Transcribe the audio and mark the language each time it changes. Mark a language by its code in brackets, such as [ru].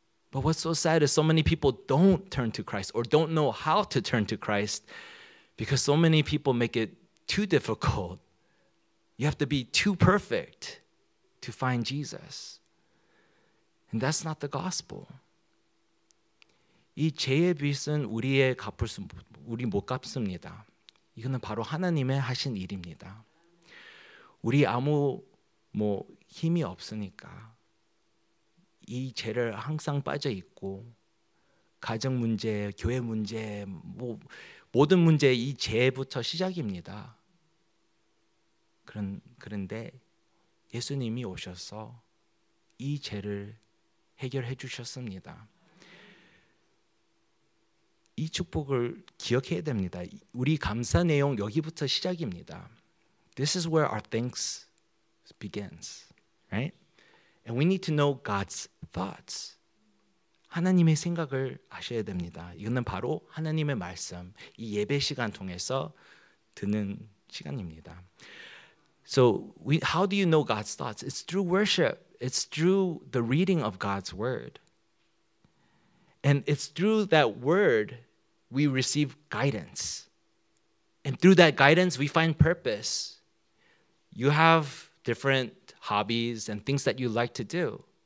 [en] But what's so sad is so many people don't turn to Christ or don't know how to turn to Christ because so many people make it too difficult. You have to be too perfect to find Jesus. And that's not the gospel. [ko] 이 죄의 빚은 우리의 갚을 수 우리 못 갚습니다. 이거는 바로 하나님의 하신 일입니다. 우리 아무 뭐 힘이 없으니까 이 죄를 항상 빠져 있고 가정 문제, 교회 문제, 뭐 모든 문제 이 죄부터 시작입니다. 그런데 예수님이 오셔서 이 죄를 해결해 주셨습니다. 이 축복을 기억해야 됩니다. 우리 감사 내용 여기부터 시작입니다. [en] This is where our thanks begins, right? And we need to know God's thoughts. [ko] 하나님의 생각을 아셔야 됩니다. 이거는 바로 하나님의 말씀, 이 예배 시간 통해서 듣는 시간입니다. [en] So how do you know God's thoughts? It's through worship. It's through the reading of God's word. And it's through that word we receive guidance. And through that guidance, we find purpose. You have different hobbies and things that you like to do.